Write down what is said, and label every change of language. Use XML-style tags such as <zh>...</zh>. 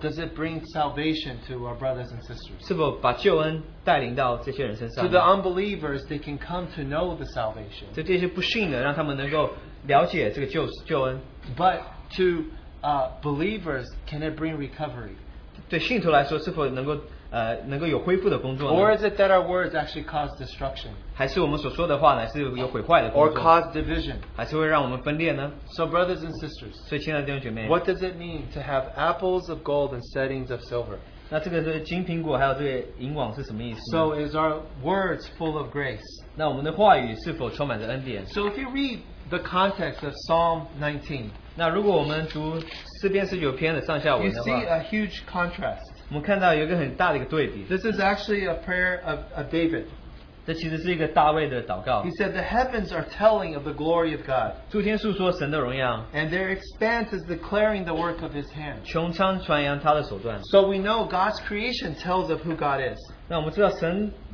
<en>does it bring salvation to our brothers and sisters?</en> <zh>是否把救恩带领到这些人身上呢?</zh> <en>To the unbelievers, they can come to know the salvation.</en> <zh>对这些不信的让他们能够了解这个救恩。</zh> <en>But to believers, can it bring recovery?</en> <zh>对信徒来说是否能够 能够有恢复的工作呢?</zh> <en>Or is it that our words actually cause destruction?</en> <zh>还是我们所说的话呢,</zh> <en>or cause division?</en> <zh>还是会让我们分裂呢?</zh> <en>So brothers and sisters,</en> <zh>所以亲爱的弟兄姐妹,</zh> <en>what does it mean to have apples of gold and settings of silver?</en> <zh>那这个金苹果还有这个银网是什么意思呢?</zh> <en>So is our words full of grace?</en> <zh>那我们的话语是否充满着恩典?</zh> <en>So if you read the context of Psalm 19,</en> <zh>那如果我们读四篇十九篇的上下文的话,</zh> <en>you see a huge contrast.</en> <zh>我们看到有一个很大的一个对比。</zh> <en>This is actually a prayer of David.</en> <zh>这其实是一个大卫的祷告。</zh> <en>He said the heavens are telling of the glory of God.</en> <zh>诸天述说神的荣耀。</zh> <en>And their expanse is declaring the work of His hand.</en> <zh>穹苍传扬他的手段。</zh> <en>So we know God's creation tells of who God is.</en>